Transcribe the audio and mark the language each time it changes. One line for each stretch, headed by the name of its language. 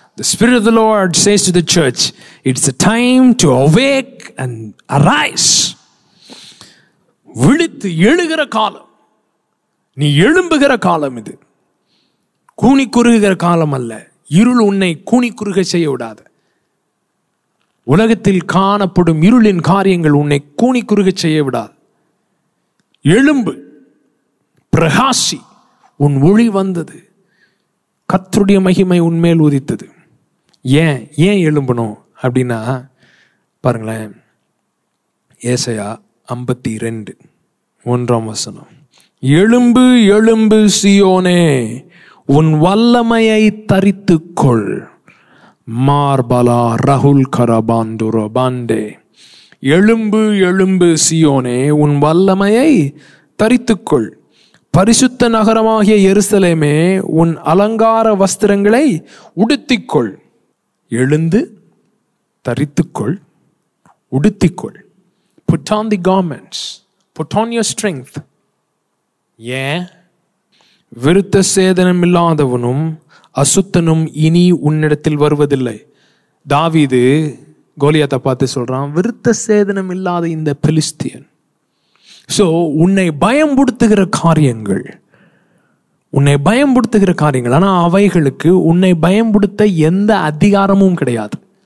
English: The Spirit of the Lord says to the church, it's a time to awake and arise.
Tamil: விழித்து எழுகிற காலம், நீ எழும்புகிற காலம் இது. கூணி குறுகுகிற காலம் அல்ல. இருள் உன்னை கூணி குறுக செய்ய விடாது. உலகத்தில் காணப்படும் இருளின் காரியங்கள் உன்னை கூணி குறுக செய்ய விடாது. எழும்பு, பிரகாசி, உன் ஒளி வந்தது, கர்த்தருடைய மகிமை உன்மேல் உதித்தது. ஏன் ஏன் எழும்பணும் அப்படின்னா பாருங்களேன், ஏசையா 52:1 எழும்பு எழும்பு சியோனே, உன் வல்லமையை தரித்து கொள், மார்பலா ரகுல் கரபாந்துரோ பாண்டே. எழும்பு எழும்பு சியோனே, உன் வல்லமையை தரித்துக்கொள், பரிசுத்த நகரமாகிய எருசலேமே, உன் அலங்கார வஸ்திரங்களை உடுத்திக்கொள். எழுந்து தரித்துக்கொள், உடுத்திக்கொள்.
English: Put on the garments, put on your strength.
Tamil: ஏன் விருத்த சேதனம் இல்லாதவனும் அசுத்தனும் இனி உன்னிடத்தில் வருவதில்லை. தாவீது கோலியாத்தை பார்த்து சொல்றான், விருத்த சேதனம் இல்லாத இந்த பெலிஸ்தியன். ஸோ உன்னை பயம்படுத்துகிற காரியங்கள், உன்னை பயம்படுத்துகிற காரியங்கள், ஆனால் அவைகளுக்கு உன்னை பயம்படுத்த எந்த அதிகாரமும் கிடையாது.